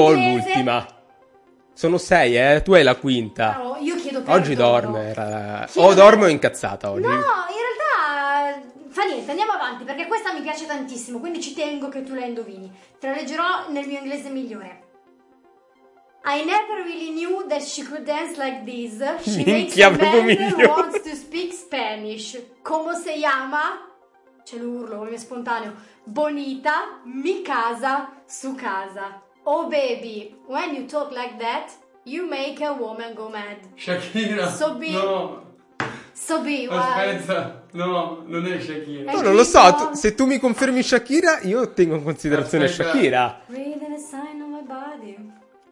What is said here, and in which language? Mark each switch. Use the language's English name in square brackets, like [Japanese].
[Italian] ho l'ultima. Sono sei, tu hai la quinta. No, io chiedo perdono. Oggi dorme. O dormo o incazzata oggi. No, in realtà fa niente, andiamo avanti, perché questa mi piace tantissimo, quindi ci tengo che tu la indovini. Te la leggerò nel mio inglese migliore. [English] I never really knew that she could dance like this. She [Italian] minchia, [English] makes a man [Italian] meglio. [English] Who wants to speak Spanish. [Spanish] Como se llama? [Italian] C'è l'urlo, come spontaneo. [Spanish] Bonita, mi casa, su casa. [English] Oh baby, when you talk like that, you make a woman go mad. Shakira, so be, [Italian] no. [English] So be, [Italian] aspetta, no, non è Shakira. No, non lo so, se tu mi confermi Shakira, io tengo in considerazione aspetta. Shakira. [English] Reading a sign on my body.